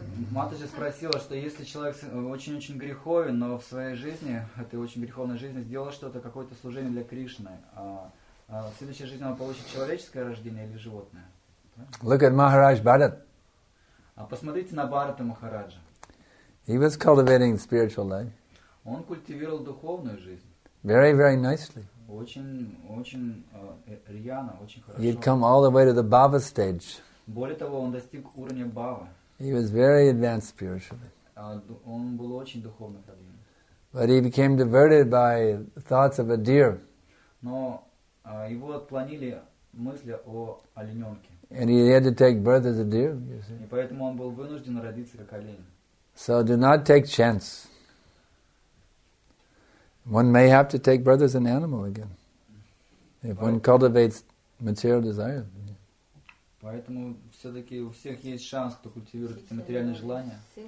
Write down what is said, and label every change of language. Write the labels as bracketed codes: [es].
[ru] Матаджи спросила, что если человек очень-очень греховен, но в своей жизни, этой очень греховной жизни, сделал что-то, какое-то служение для Кришны, в следующей жизни он получит человеческое рождение или животное? [en] Look at Maharaj Bharat. [ru] Посмотрите на Бхарата Махараджа. [en] He was cultivating spiritual life. [ru] Он культивировал духовную жизнь. [en] Very, very nicely. [ru] Очень рьяно, очень хорошо. [en] He had come all the way to the bhava stage. [ru] Более того, он достиг уровня бхавы. [en] He was very advanced spiritually. [ru] Он был очень духовно продвинут. [en] But he became diverted by thoughts of a deer. [ru] Но его отклонили мысли о олененке. [en] And he had to take birth as a deer, you see. [ru] И поэтому он был вынужден родиться как олень. [en] So do not take chance. One may have to take birth as an animal again. If one cultivates material desires. [ru] Поэтому все-таки у всех есть шанс, кто культивирует эти материальные желания.